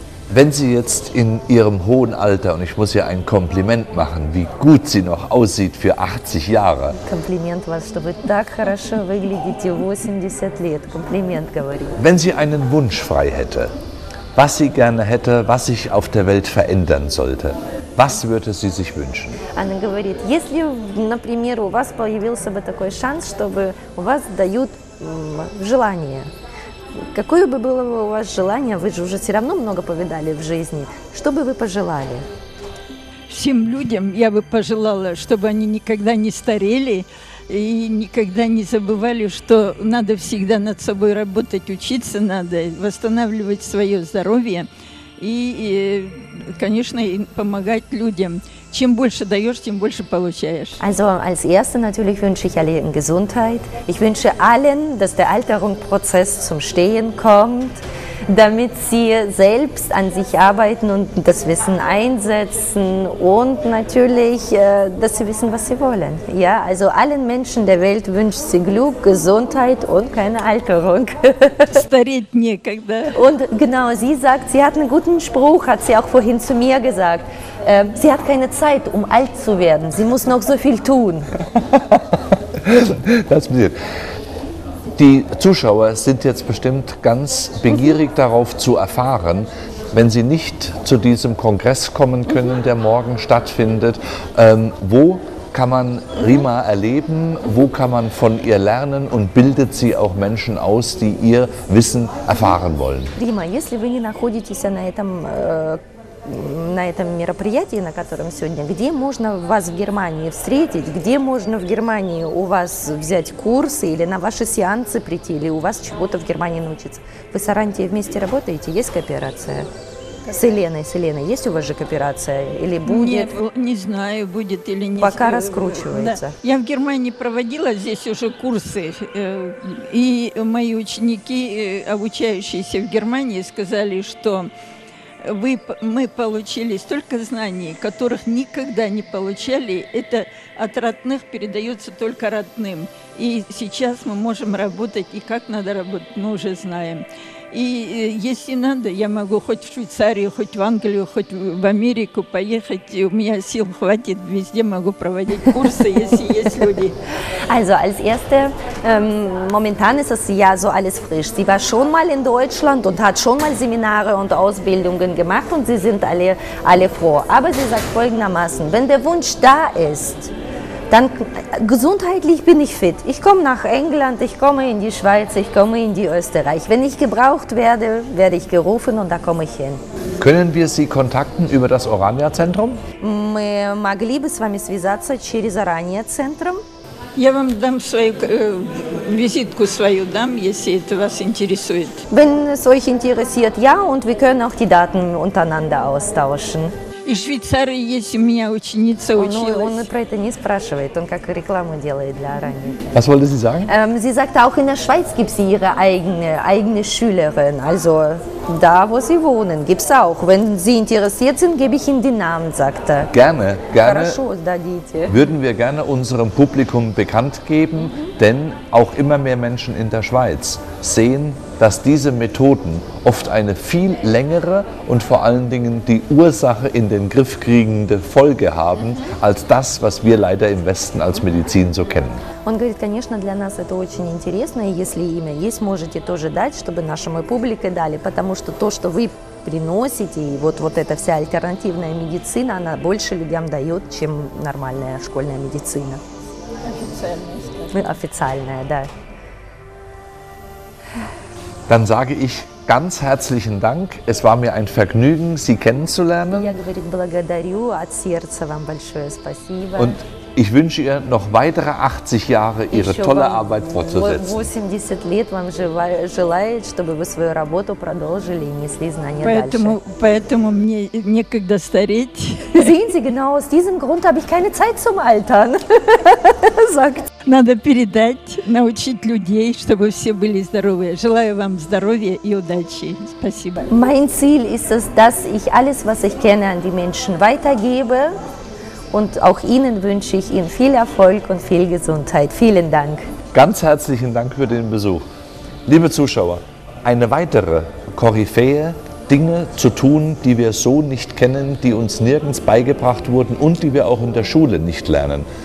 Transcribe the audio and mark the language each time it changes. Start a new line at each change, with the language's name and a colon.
German: Wenn Sie jetzt in Ihrem hohen Alter, und ich muss ihr ein Kompliment machen, wie gut sie noch aussieht für 80 Jahre. Kompliment, was du bist,
Russian: так хорошо выглядите, 80 лет. Kompliment, говорю.
German: Wenn sie einen Wunsch frei hätte, was sie gerne hätte, was sich auf der Welt verändern sollte, was würde sie sich wünschen?
Russian: Она говорит, если, например, у вас появился бы такой шанс, чтобы у вас дают желание. Какое бы было у вас желание, вы же уже все равно много повидали в жизни, что бы вы пожелали? Всем людям я бы пожелала, чтобы они никогда не старели, и никогда не забывали, что надо всегда над собой работать, учиться надо, восстанавливать свое здоровье и, конечно, помогать людям. Чем больше даешь, тем больше получаешь.
German: Also als Erste natürlich wünsche ich allen Gesundheit. Ich wünsche allen, dass der Alterungsprozess zum Stehen kommt, damit sie selbst an sich arbeiten und das Wissen einsetzen und natürlich, dass sie wissen, was sie wollen. Ja, also allen Menschen der Welt wünscht sie Glück, Gesundheit und keine Alterung.
Russian: Stareть некогда.
German: Und genau, sie sagt, sie hat einen guten Spruch, hat sie auch vorhin zu mir gesagt. Sie hat keine Zeit, um alt zu werden. Sie muss noch so viel tun. Das passiert. Die Zuschauer sind jetzt bestimmt ganz begierig darauf zu erfahren, wenn sie nicht zu diesem Kongress kommen können, der morgen stattfindet, wo kann man Rima erleben, wo kann man von ihr lernen und bildet sie auch Menschen aus, die ihr Wissen erfahren wollen?
Russian: Rima, если вы не находитесь на этом на этом мероприятии, на котором сегодня, где можно вас в Германии встретить, где можно в Германии у вас взять курсы или на ваши сеансы прийти, или у вас чего-то в Германии научиться. Вы с Арантией вместе работаете? Есть кооперация? С Еленой, есть у вас же кооперация? Или будет? Не знаю, будет или нет. Пока раскручивается. Да. Я в Германии проводила здесь уже курсы, и мои ученики, обучающиеся в Германии, сказали, что мы получили столько знаний, которых никогда не получали. Это от родных передается только родным. И сейчас мы можем работать, и как надо работать, мы уже знаем. И если надо, я могу хоть в Швейцарию, хоть в Англию, хоть в Америку поехать. У меня сил хватит, везде могу проводить курсы, если есть люди.
German: Also als Erste, momentan ist es ja so alles frisch. Sie war schon mal in Deutschland und hat schon mal Seminare und Ausbildungen gemacht und sie sind alle froh. Aber sie sagt folgendermaßen, wenn der Wunsch da ist, dann gesundheitlich bin ich fit. Ich komme nach England, ich komme in die Schweiz, ich komme in die Österreich. Wenn ich gebraucht werde, werde ich gerufen und da komme ich hin. Können wir Sie kontaktieren über das Orania-Zentrum?
Russian: Мы могли бы с вами связаться через Orania-Zentrum. Я вам дам свою визитку свою дам, если это вас интересует.
German: Wenn es euch interessiert, ja, und wir können auch die Daten untereinander austauschen.
Russian: И в Швейцарии есть у меня ученица училась. Он про это не спрашивает, он как рекламу делает для Арании.
German: Was wollte sie sagen? Sie sagt, auch in der Schweiz gibt sie ihre eigene Schülerin. Also da, wo sie wohnen, gibt es auch. Wenn sie interessiert sind, gebe ich ihnen den Namen, sagt er. Gerne, gerne.
Russian: Хорошо, дадите.
German: Würden wir gerne unserem Publikum bekannt geben, denn auch immer mehr Menschen in der Schweiz sehen, dass diese Methoden oft eine viel längere und vor allen Dingen die Ursache in den Griff kriegende Folge haben, als das, was wir leider im Westen als Medizin so kennen.
Russian: Он говорит, конечно, для нас это очень интересно, и если имя есть, можете тоже дать, чтобы нашему публике дали, потому что то, что вы приносите, и вот эта вся альтернативная медицина, она больше людям дает, чем нормальная школьная медицина. Официальная, да.
German: Dann sage ich ganz herzlichen Dank. Es war mir ein Vergnügen, Sie kennenzulernen. Und ich wünsche ihr noch weitere 80 Jahre ihre tolle Arbeit fortzusetzen. Sehen Sie, genau aus diesem Grund habe ich keine Zeit zum Altern. Sagt.
Russian: Надо передать, научить людей, чтобы все были здоровы. Желаю вам здоровья и удачи. Спасибо.
German: Mein Ziel ist es, dass ich alles, was ich kenne, an die Menschen weitergebe. Und auch Ihnen wünsche ich Ihnen viel Erfolg und viel Gesundheit. Vielen Dank. Ganz herzlichen Dank für den Besuch. Liebe Zuschauer, eine weitere Koryphäe, Dinge zu tun, die wir so nicht kennen, die uns nirgends beigebracht wurden und die wir auch in der Schule nicht lernen.